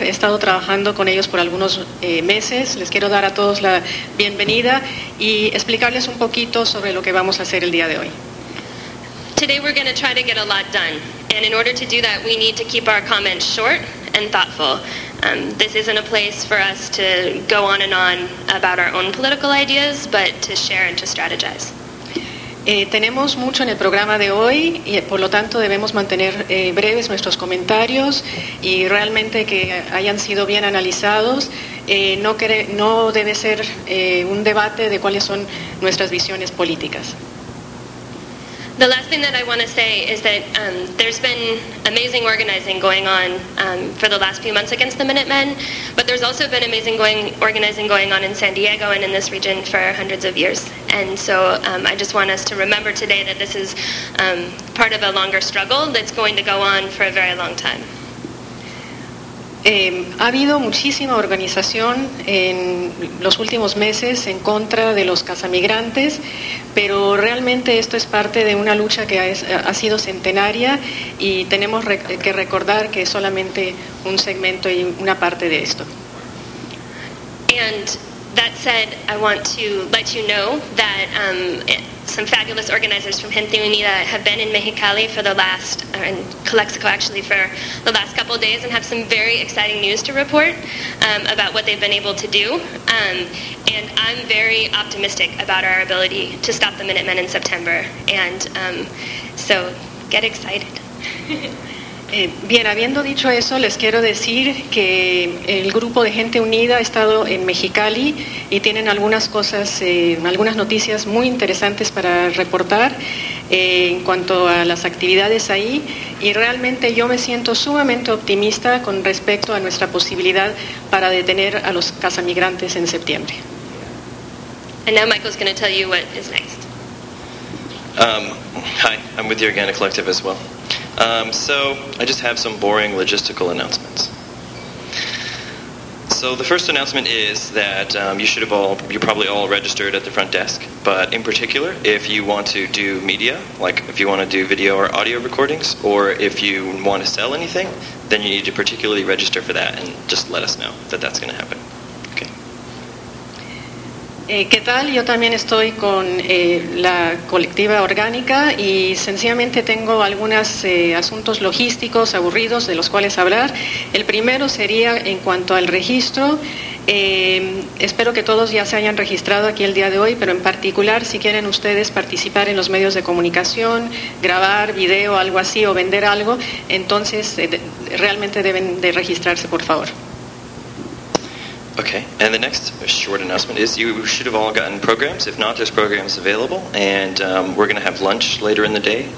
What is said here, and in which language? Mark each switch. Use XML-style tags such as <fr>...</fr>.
<es>He estado trabajando con ellos por algunos meses. Les quiero dar a todos la bienvenida y explicarles un poquito sobre lo que vamos a hacer el día de hoy.</es> <en>Today we're going to try to get a lot done. And in order to do that, we need to keep our comments short and thoughtful. This isn't a place for us to go on and on about our own political ideas, but to share and to strategize.</en> <es>Tenemos mucho en el programa de hoy y por lo tanto debemos mantener breves nuestros comentarios y realmente que hayan sido bien analizados. No debe ser un debate de cuáles son nuestras visiones políticas.</es> <en>The last thing that I want to say is that there's been amazing organizing going on for the last few months against the Minutemen, but there's also been amazing organizing going on in San Diego and in this region for hundreds of years. And so I just want us to remember today that this is part of a longer struggle that's going to go on for a very long time.</en> <es>Ha habido muchísima organización en los últimos meses en contra de los cazamigrantes, pero realmente esto es parte de una lucha que ha sido centenaria y tenemos que recordar que es solamente un segmento y una parte de esto.</es> <en>And that said, I want to let you know that some fabulous organizers from Gente Unida have been in Mexicali for the last, in Calexico actually, for the last couple of days and have some very exciting news to report about what they've been able to do. And I'm very optimistic about our ability to stop the Minutemen in September. And so get excited.</en> <es>Bien, habiendo dicho eso, les quiero decir que el grupo de Gente Unida ha estado en Mexicali y tienen algunas cosas, algunas noticias muy interesantes para reportar en cuanto a las actividades ahí. Y realmente yo me siento sumamente optimista con respecto a nuestra posibilidad para detener a los cazamigrantes en septiembre.</es> <en>And now Michael's going to tell you what is next. Hi, I'm with the Organic Collective as well. So, I just have some boring logistical announcements. So, the first announcement is that you're probably all registered at the front desk, but in particular, if you want to do media, like if you want to do video or audio recordings, or if you want to sell anything, then you need to particularly register for that and just let us know that that's going to happen.</en> <es>¿Qué tal? Yo también estoy con la colectiva orgánica y sencillamente tengo algunos asuntos logísticos aburridos de los cuales hablar. El primero sería en cuanto al registro. Espero que todos ya se hayan registrado aquí el día de hoy, pero en particular si quieren ustedes participar en los medios de comunicación, grabar video, algo así, o vender algo, entonces realmente deben de registrarse, por favor.</es> <en>Okay, and the next short announcement is you should have all gotten programs. If not, there's programs available, and we're going to have lunch later in the day.</en>